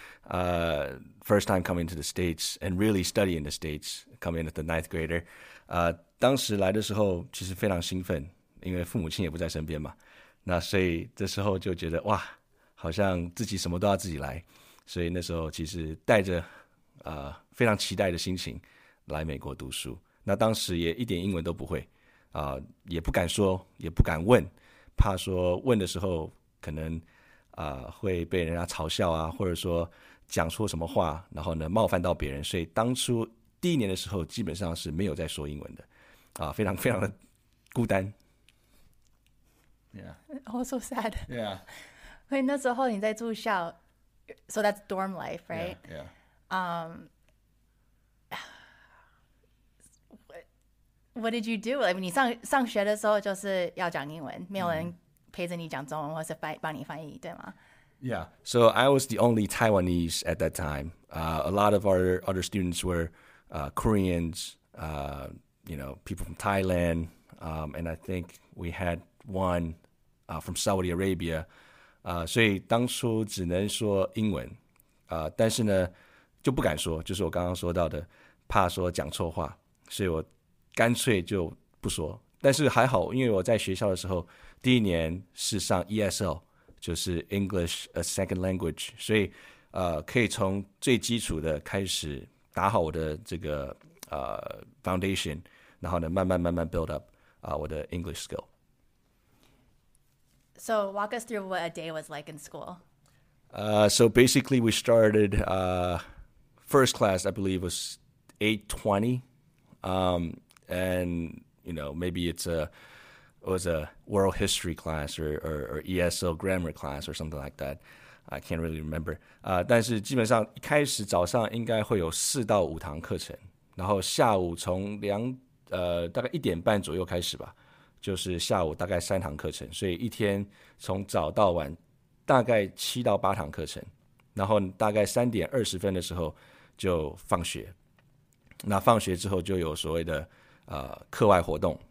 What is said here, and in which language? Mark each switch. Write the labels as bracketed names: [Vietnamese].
[English] First time coming to the States and really studying the States, coming as the ninth grader. [Chinese] 当时来的时候其实非常兴奋，因为父母亲也不在身边嘛。那所以这时候就觉得哇，好像自己什么都要自己来。所以那时候其实带着非常期待的心情来美国读书。那当时也一点英文都不会，也不敢说，也不敢问，怕说问的时候可能会被人家嘲笑啊，或者说讲错什么话，然后呢冒犯到别人。所以当初第一年的时候基本上是没有在说英文的，非常非常的孤单。 [English] Yeah. Oh, so sad. Yeah. [Chinese] 所以那时候你在住校， [English] So that's dorm life, right? Yeah, yeah. What did you do? I mean, [Chinese] 上学的时候就是要讲英文，没有人陪着你讲中文或是帮你翻译，对吗？ [English] Yeah. So I was the only Taiwanese at that time. A lot of our other students were Koreans, you know, people from Thailand. And I think we had one from Saudi Arabia. [Chinese] 所以当初只能说英文。但是呢就不敢说，就是我刚刚说到的，怕说讲错话，所以我干脆就不说。但是还好，因为我在学校的时候，第一年是上 ESL， 就是 [English] English as Second Language， [Chinese] 所以可以从最基础的开始打好我的这个foundation， 然后呢慢慢 build up 我的 English skill。 [English] So walk us through what a day was like in school. So basically, we started. First class, I believe, was 8:20, and you know, maybe it was a world history class or ESL grammar class or something like that. I can't really remember. [Chinese] 但是基本上一开始早上应该会有四到五堂课程，然后下午从大概一点半左右开始吧，就是下午大概三堂课程，所以一天从早到晚大概七到八堂课程，然后大概3:20的时候就放学，那放学之后就有所谓的课外活动。